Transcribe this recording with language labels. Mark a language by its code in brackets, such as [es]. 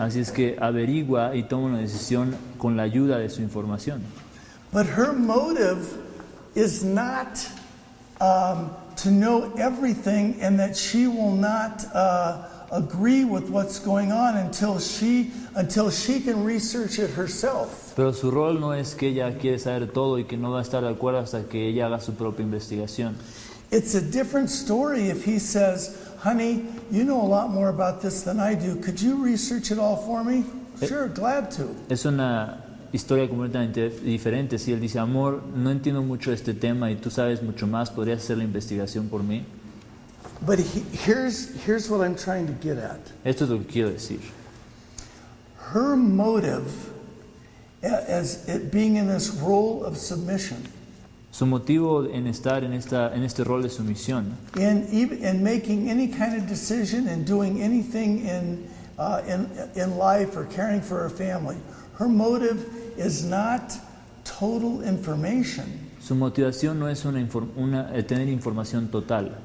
[es] Así es que averigua y toma una decisión con la ayuda de su información. [en] But her motive is not to know everything and that she will not agree with what's going on until she can research it herself. [es] Pero su rol no es que ella quiere saber todo y que no va a estar de acuerdo hasta que ella haga su propia investigación. [en] It's a different story if he says, "Honey, you know a lot more about this than I do. Could you research it all for me?" Sure, glad to. [es] Es una historia completamente diferente si él dice, "Amor, no entiendo mucho este tema y tú sabes mucho más, ¿podrías hacer la investigación por mí?" [en] But here's what I'm trying to get at. [es] Esto es lo que quiero decir. [en] Her motive as it being in this role of submission. [es] Su motivo en estar en este rol de sumisión. [en] In making any kind of decision and doing anything in life or caring for her family. Her motive is not total information. [es] Su motivación no es tener información total.